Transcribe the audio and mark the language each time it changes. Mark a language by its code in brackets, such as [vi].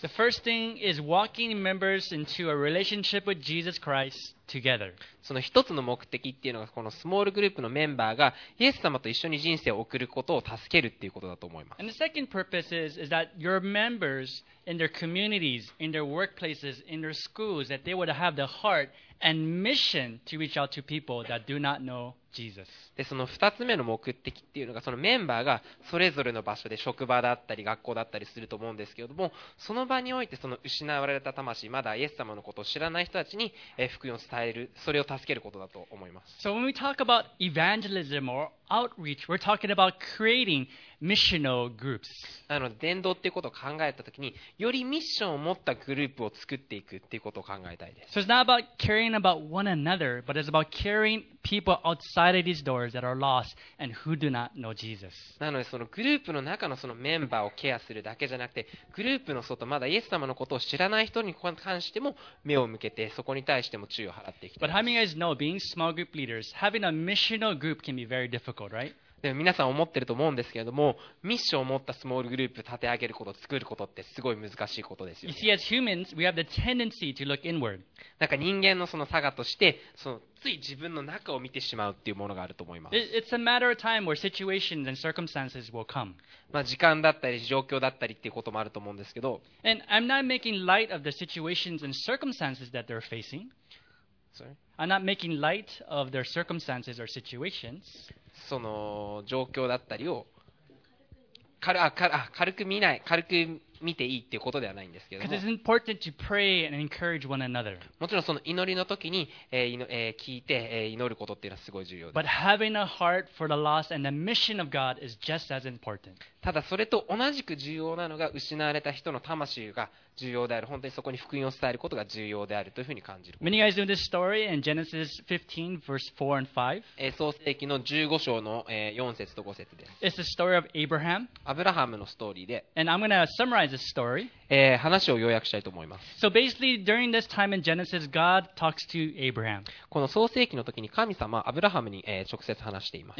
[en] The first thing is walking members into a relationship with Jesus Christ. Together. [ja] その一つの目的っていうのがこのスモールグループのメンバーがイエス様と一緒に人生を送ることを助けるっていうことだと思います。 [en] And the second purpose is that your members in their communities, in their workplaces, in their schools, that they would have the heart and mission to reach out to people that do not know Jesus. [ja] でその二つ目の目的っていうのがそのメンバーがそれぞれの場所で職場だったり学校だったりすると思うんですけれども、その場においてその失われた魂まだイエス様のことを知らない人たちに福音を伝える、それを助けることだと思います。 [en] So when we talk about evangelism or outreach, we're talking about creating missional groups. [ja] なので伝道っていうことを考えたときに、よりミッションを持ったグループを作っていくっていうことを考えたいです。 [en] So it's not about caring about one another, but it's about caring people outside of these doors that are lost and who do not know Jesus. [ja] なのでそのグループの中のそのメンバーをケアするだけじゃなくて、グループの外まだイエス様のことを知らない人に関しても目を向けて、そこに対しても注意を払っていきたい。 [en] But how many guys know being small group leaders, having a missional group can be very difficult, right? [ja] でも皆さん思ってると思うんですけれども、ミッションを持ったスモールグループ立て上げること、作ることってすごい難しいことですよ、ね。 [en] You see, as humans, we have the tendency to look inward. [ja] なんか人間のその性として、そのつい自分の中を見てしまうっていうものがあると思います。 [en] It's a matter of time where situations and circumstances will come. [ja] まあ時間だったり状況だったりっていうこともあると思うんですけど。 [en] And I'm not making light of the situations and circumstances that they're facing. Sorry. I'm not making light of their circumstances or situations. [ja] その状況だったりを 軽く見ない、軽く見ていいっていうことではないんですけども、 [en] Because it's important to pray and encourage one another. [ja] もちろんその祈りの時に、聞いて、祈ることっていうのはすごい重要です。 [en] But having a heart for the lost and the mission of God is just as important. [ja] ただそれと同じく重要なのが失われた人の魂が重要である。本当にそこに福音を伝えることが重要であるというふうに感じる。 [en] Many guys know this story in Genesis 15 verse 4 and 5. [ja] 創世記の15章の4節と5節です。 [en] It's the story of Abraham. [ja] アブラハムのストーリーで。 [en] And I'm going to summarize the story. [ja] 話を要約したいと思います。 [en] So basically, during this time in Genesis, God talks to Abraham. [ja] この創世記の時に神様はアブラハムに直接話しています。